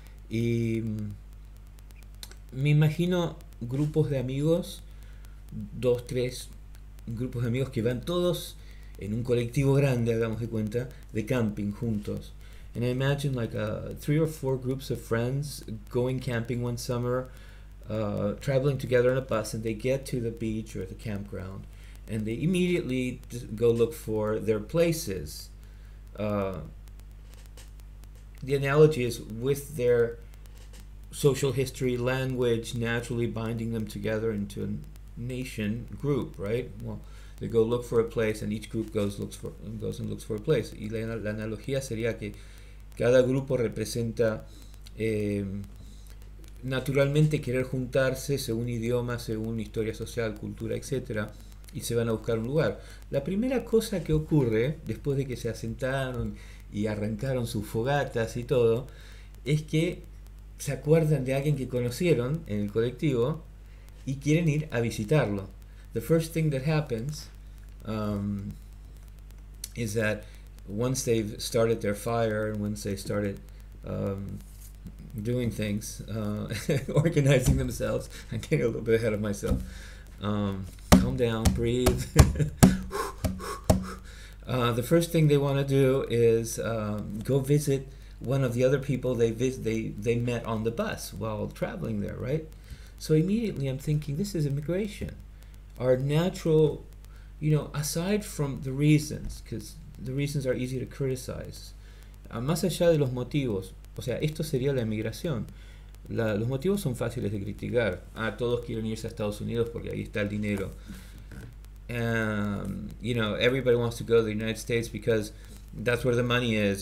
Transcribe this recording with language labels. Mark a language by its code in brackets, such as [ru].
[es] Y me imagino grupos de amigos, dos, tres grupos de amigos que van todos en un colectivo grande, hagamos de cuenta, de camping juntos. [en] And I imagine like three or four groups of friends going camping one summer, traveling together on a bus, and they get to the beach or the campground, and they immediately just go look for their places. The analogy is with their social history, language, naturally binding them together into a nation group, right? Well, they go look for a place, and each group goes and looks for a place. [es] Y la analogía sería que cada grupo representa naturalmente querer juntarse según idioma, según historia social, cultura, etcétera, y se van a buscar un lugar. La primera cosa que ocurre después de que se asentaron y arrancaron sus fogatas y todo es que se acuerdan de alguien que conocieron en el colectivo y quieren ir a visitarlo. [en] The first thing that happens is that once they've started their fire and once they started doing things, organizing themselves, I'm getting a little bit ahead of myself. Calm down, breathe. The first thing they want to do is go visit one of the other people they met on the bus while traveling there, right? So immediately I'm thinking, this is immigration. Our natural, you know, aside from the reasons, because the reasons are easy to criticize. [es] Más allá de los motivos, o sea, esto sería la emigración. Los motivos son fáciles de criticar. Ah, todos quieren irse a Estados Unidos porque ahí está el dinero. [en] Everybody wants to go to the United States because that's where the money is.